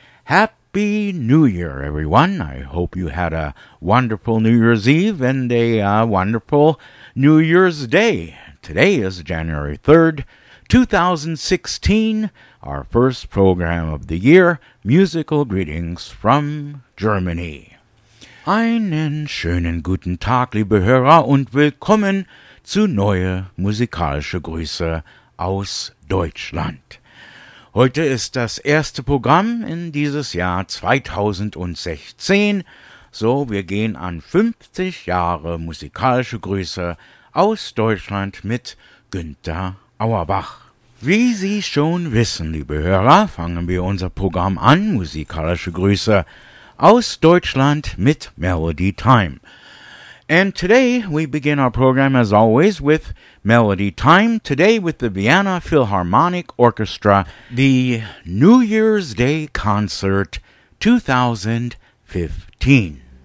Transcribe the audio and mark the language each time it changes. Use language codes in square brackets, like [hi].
[en] Happy New Year everyone. I hope you had a wonderful New Year's Eve and a wonderful New Year's Day. Today is January 3rd, 2016, our first program of the year, musical greetings from Germany. [de] Einen schönen guten Tag, liebe Hörer, und willkommen zu neue musikalische Grüße aus Deutschland. Heute ist das erste Programm in dieses Jahr 2016. So, wir gehen an 50 Jahre musikalische Grüße aus Deutschland mit Günter Auerbach. Wie Sie schon wissen, liebe Hörer, fangen wir unser Programm an, musikalische Grüße aus Deutschland mit Melody Time. [en] And today we begin our program as always with Melody Time. Today with the Vienna Philharmonic Orchestra, the New Year's Day Concert 2015.